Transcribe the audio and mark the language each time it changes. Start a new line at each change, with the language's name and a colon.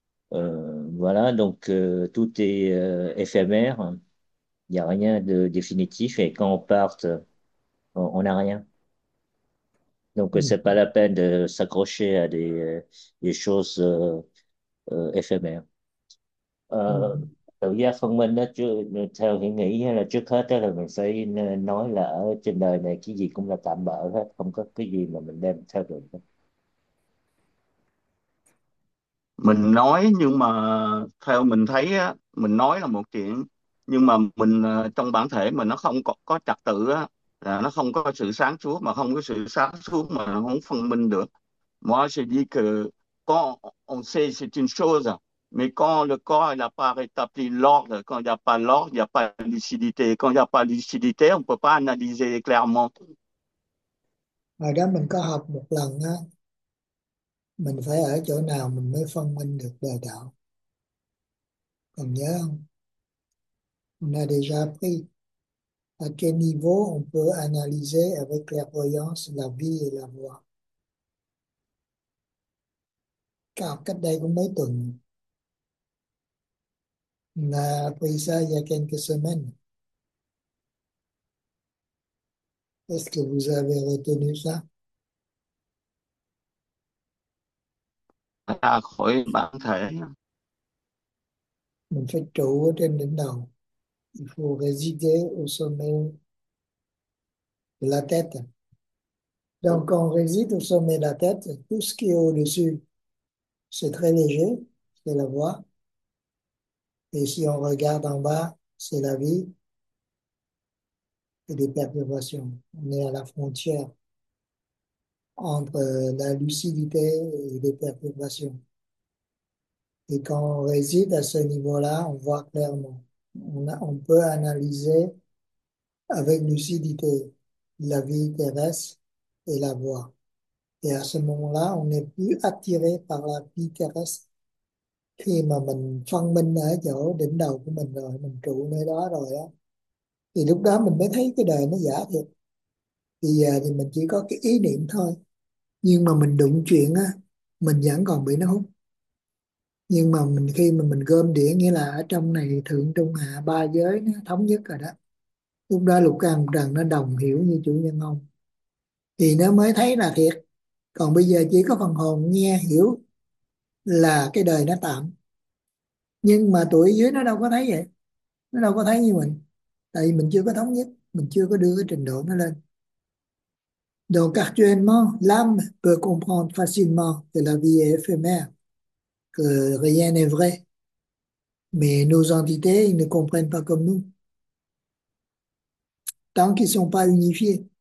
French: Voilà, donc tout est éphémère. Il n'y a rien de définitif et quand on part, on n'a rien. Donc ce n'est pas la peine de s'accrocher à des choses éphémères.
Vietnamese: Tự do phân minh đó, theo hình nghĩ là trước hết đó là mình phải nói là ở trên đời này cái gì cũng là tạm bợ hết, không có cái gì mà mình đem theo được hết. Mình nói nhưng mà theo mình thấy á, mình nói là một chuyện nhưng mà mình trong bản thể mình nó không có trật tự á, là nó không có sự sáng suốt, mà không có sự sáng suốt mà nó không phân minh được.
French: Moi je dis que quand on sait c'est une chose, mais quand le corps n'a pas rétabli l'ordre, quand il n'y a pas l'ordre, il n'y a pas de lucidité. Quand il n'y a pas de lucidité, on ne peut pas analyser clairement.
Vietnamese: Hồi đó mình có học một lần á, mình phải ở chỗ nào mình mới phân minh được đời đạo, còn nhớ không?
French: On a déjà appris. À quel niveau on peut analyser avec clairvoyance la vie et la voix? Car
Vietnamese: cách đây cũng mấy tuần,
French: là après ça, il y a quelques semaines. Est-ce que vous avez retenu ça?
Vietnamese: ra khỏi bản thể. Mình phải trụ ở trên đỉnh đầu.
French: Il faut résider au sommet de la tête. Donc, quand on réside au sommet de la tête, tout ce qui est au-dessus, c'est très léger, c'est la voix. Et si on regarde en bas, c'est la vie et des perturbations. On est à la frontière entre la lucidité et les perturbations. Et quand on réside à ce niveau-là, on voit clairement. On peut analyser avec lucidité la vie terrestre et la voix. Et à ce moment-là, on n'est plus attiré par la vie terrestre.
Vietnamese: Khi mà mình phân minh ở chỗ đỉnh đầu của mình rồi, mình trụ nơi đó rồi á, thì lúc đó mình mới thấy cái đời nó giả thiệt. Bây giờ thì mình chỉ có cái ý niệm thôi. Nhưng mà mình đụng chuyện á, mình vẫn còn bị nó hút. Nhưng mà mình khi mà mình gom đĩa, nghĩa là ở trong này thượng trung hạ ba giới nó thống nhất rồi đó, lúc đó lục căn trần nó đồng hiểu như chủ nhân ông, thì nó mới thấy là thiệt. Còn bây giờ chỉ có phần hồn nghe hiểu là cái đời nó tạm, nhưng mà tuổi dưới nó đâu có thấy vậy, nó đâu có thấy như mình, tại vì mình chưa có thống nhất, mình chưa có đưa cái trình độ nó lên.
French: Donc actuellement, l'âme peut comprendre facilement que la vie est éphémère, que rien n'est vrai, mais nos entités, ils ne comprennent pas comme nous, tant qu'ils ne sont pas unifiés.